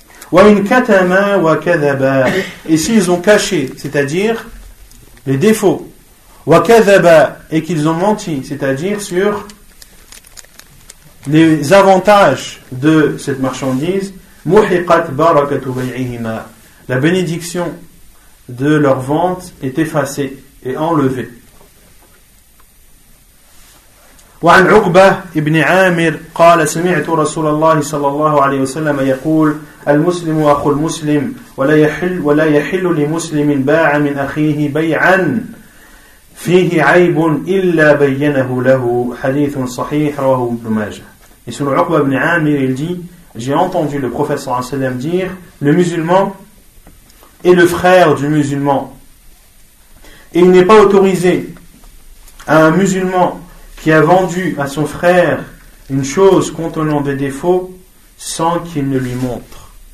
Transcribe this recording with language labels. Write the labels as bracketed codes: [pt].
[ar] Wa in katama wa kadhaba. [fr] Et s'ils ont caché, c'est-à-dire les défauts, [ar] wa kadhaba, [fr] et qu'ils ont menti, c'est-à-dire sur les avantages de cette marchandise, [ar] muhiqat barakatu bay'ihima. [fr] La bénédiction de leur vente est effacée et enlevée. [ar] وعن عقبة ابن عامر قال سمعت رسول الله صلى الله عليه وسلم يقول المسلم أخو المسلم ولا يحل لمسلم باع من أخيه بيعا فيه عيب إلا بينه له حديث صحيح رواه ابن ماجه. [fr] Et sur Uqba ibn Amir, il dit, j'ai entendu le prophète [ar] sallallahu alayhi wa sallam [fr] dire, le musulman est le frère du musulman. Et il n'est pas autorisé à un musulman qui a vendu à son frère une chose contenant des défauts sans qu'il ne lui montre.